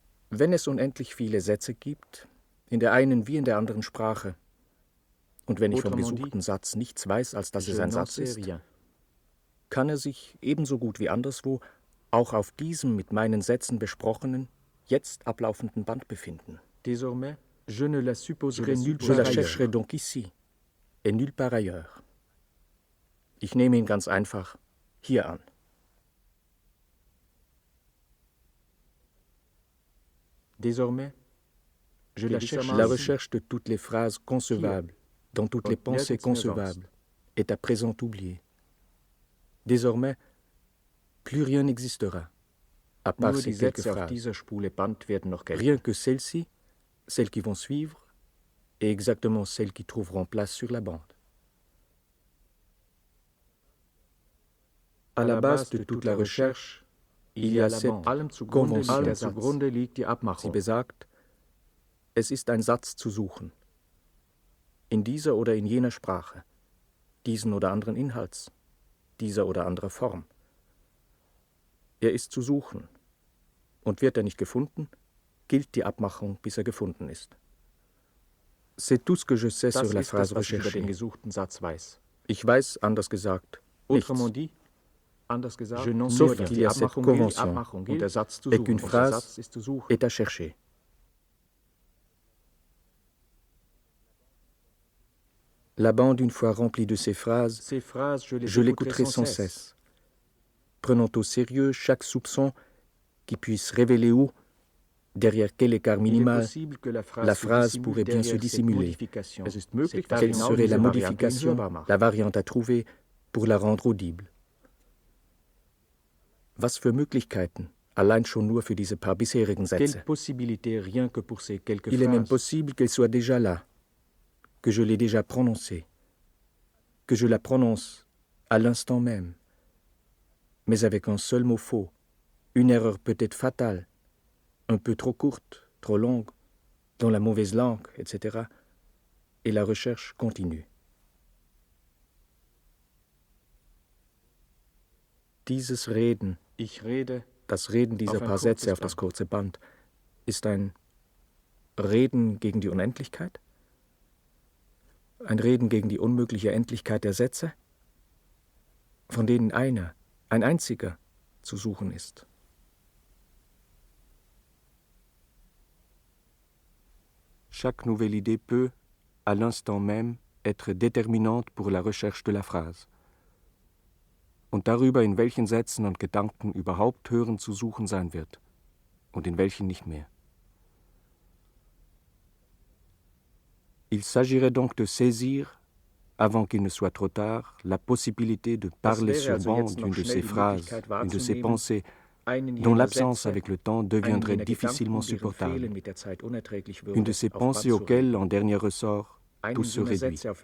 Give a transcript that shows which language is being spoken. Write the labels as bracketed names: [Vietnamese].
[German] Wenn es unendlich viele Sätze gibt, in der einen wie in der anderen Sprache, und wenn ich vom gesuchten Satz nichts weiß, als dass es ein Satz ist, kann er sich ebenso gut wie anderswo auch auf diesem mit meinen Sätzen besprochenen, jetzt ablaufenden Band befinden. [French] Désormais, je ne la supposerai nulle part ailleurs. Je la chercherai donc ici, et nulle part ailleurs. [German] Ich nehme ihn ganz einfach hier an. [French] Désormais, je la chercherai la recherche de toutes les phrases concevables. Dans toutes les pensées concevables, est à présent oublié. Désormais, plus rien n'existera, à part ces quelques phrases. Rien que celles-ci, celles qui vont suivre, et exactement celles qui trouveront place sur la bande. À la base de toute la recherche, il y a cette convention. [German] Sie besagt, es ist ein Satz zu suchen. In dieser oder in jener Sprache, diesen oder anderen Inhalts, dieser oder anderer Form. Er ist zu suchen. Und wird er nicht gefunden, gilt die Abmachung, bis er gefunden ist. [French] C'est tout ce que je sais sur la phrase recherchée. [German] Ich über den gesuchten Satz weiß. Ich weiß, anders gesagt, [French] autrement dit, [German] anders gesagt, [French] je n'en sais rien. [German] Die Abmachung gilt, die Abmachung gilt, und der Satz zu suchen. Der Satz ist zu suchen. [French] Est à chercher. La bande, une fois remplie de ces phrases, je l'écouterai sans cesse, prenant au sérieux chaque soupçon qui puisse révéler où, Derrière quel écart minimal, la phrase pourrait bien se dissimuler. Quelle serait la modification, la variante à trouver pour la rendre audible? [German] Was für Möglichkeiten, allein schon nur für diese paar bisherigen Sätze? [French] Il est même possible qu'elle soit déjà là, que je l'ai déjà prononcée, que je la prononce à l'instant même, mais avec un seul mot faux, une erreur peut-être fatale, un peu trop courte, trop longue, dans la mauvaise langue, etc. Et la recherche continue. [German] Dieses Reden, ich rede, das Reden dieser paar Sätze auf das kurze Band, ist ein Reden gegen die Unendlichkeit? Ein Reden gegen die unmögliche Endlichkeit der Sätze? Von denen einer, ein einziger, zu suchen ist. [French] Chaque nouvelle idée peut, à l'instant même, être déterminante pour la recherche de la phrase. [German] Und darüber, in welchen Sätzen und Gedanken überhaupt Hören zu suchen sein wird und in welchen nicht mehr. [French] Il s'agirait donc de saisir, avant qu'il ne soit trop tard, la possibilité de parler sur bande d'une de ces phrases, une de ces pensées, dont l'absence avec le temps deviendrait difficilement supportable, une de ces pensées auxquelles, en dernier ressort, tout se réduit.